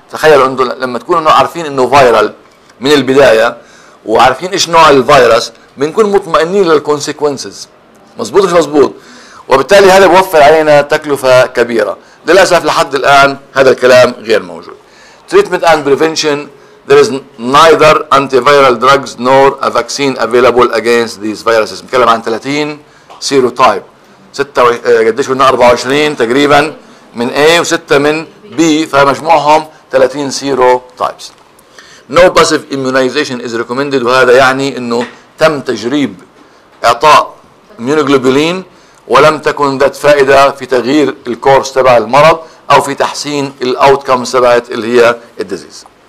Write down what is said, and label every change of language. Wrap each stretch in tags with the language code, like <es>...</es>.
<ar>تخيلوا أنه لما تكون أنه عارفين أنه فيرال من البداية وعارفين إيش نوع الفيروس، بنكون مطمئنين للكونسيكونسز، مظبوط مش مظبوط؟ وبالتالي هذا بوفر علينا تكلفة كبيرة. للأسف لحد الآن هذا الكلام غير موجود.</ar> <en>Treatment and prevention, there is neither antiviral drugs nor a vaccine available against these viruses.</en> <ar>نتكلم عن 30 سيروتايب، 6 قديش قلنا 24 تقريبا من A و6 من B، فمجموعهم 30 سيروتايبس. No passive immunization is recommended، وهذا يعني انه تم تجريب اعطاء ميونوغلوبولين ولم تكن ذات فائده في تغيير الكورس تبع المرض او في تحسين الاوتكم تبعت اللي هي الديزيز.</ar>